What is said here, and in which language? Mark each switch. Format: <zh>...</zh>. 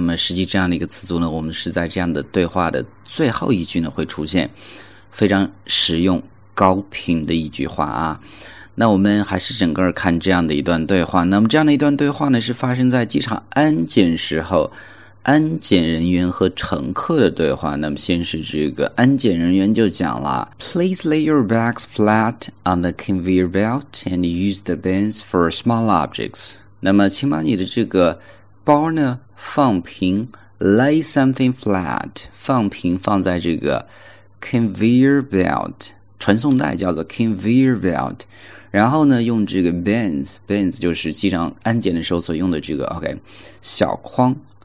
<zh>那么实际这样的一个词组呢，我们是在这样的对话的最后一句呢会出现，非常实用、高频的一句话啊。那我们还是整个看这样的一段对话。那么这样的一段对话呢，是发生在机场安检时候，安检人员和乘客的对话。那么先是这个安检人员就讲了：</zh> <en>“Please lay your bags flat on the conveyor belt and use the bins for small objects。”</en> <zh>那么，请把你的这个包呢放平，</zh> <en>lay something flat，</en> <zh>放平放在这个 conveyor belt，传送带叫做 conveyor belt。然后呢，用这个 bins 就是机场安检的时候所用的这个 小筐。</zh>